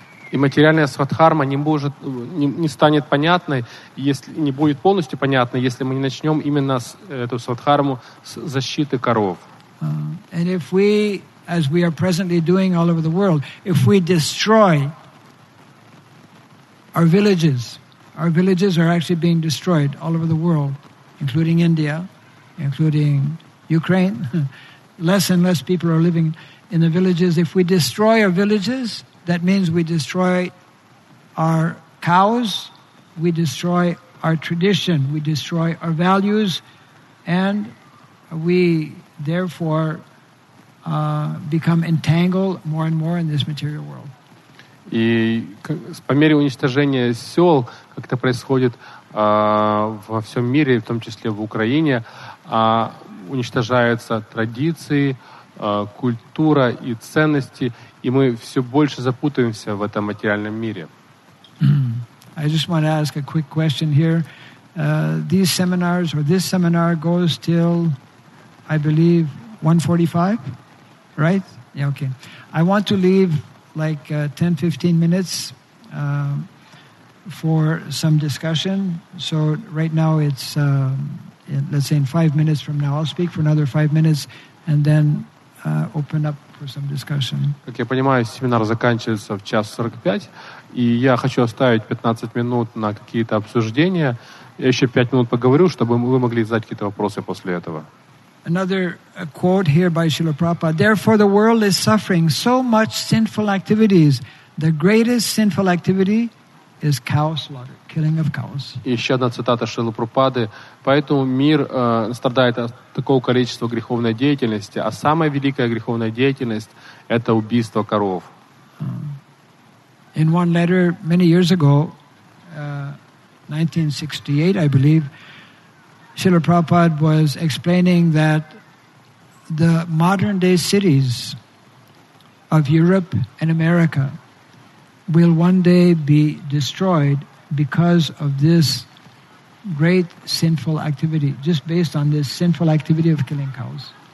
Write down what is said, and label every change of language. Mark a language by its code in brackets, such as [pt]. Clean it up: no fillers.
[ru] И материальная свадхарма не станет понятной, если не будет полностью понятной, если мы не начнем именно с эту свадхарму с защиты коров. [en] And if we, as we are presently doing all over the world, if we destroy our villages are actually being destroyed all over the world, including India, including Ukraine. Less and less people are living in the villages. If we destroy our villages, that means we destroy our cows, we destroy our tradition, we destroy our values, and we therefore become entangled more and more in this material world. [ru] И по мере уничтожения сел, как это происходит во всем мире, в том числе в Украине, уничтожаются традиции, культура и ценности, и мы все больше запутаемся в этом материальном мире. [en] I just want to ask a quick question here. These seminars, or this seminar goes till, I believe, 1:45, right? Yeah, okay. I want to leave like 10-15 minutes for some discussion. So right now it's, let's say in 5 minutes from now, I'll speak for another 5 minutes and then open up for some discussion. [ru] Как я понимаю, семинар заканчивается в 1:45, и я хочу оставить 15 минут на какие-то обсуждения. Я еще 5 минут поговорю, чтобы вы могли задать какие-то вопросы после этого. [en] Another quote here by Srila Prabhupada. Therefore, the world is suffering so much sinful activities. The greatest sinful activity is cow slaughter, killing of cows. [ru] Еще одна цитата Шрилы Прабхупады. Поэтому мир страдает от такого количества греховной деятельности, а самая великая греховная деятельность – это убийство коров. [en] In one letter many years ago, 1968, I believe, Srila Prabhupada was explaining that the modern-day cities of Europe and America will one day be destroyed because of this great sinful activity, just based on this sinful activity of killing cows.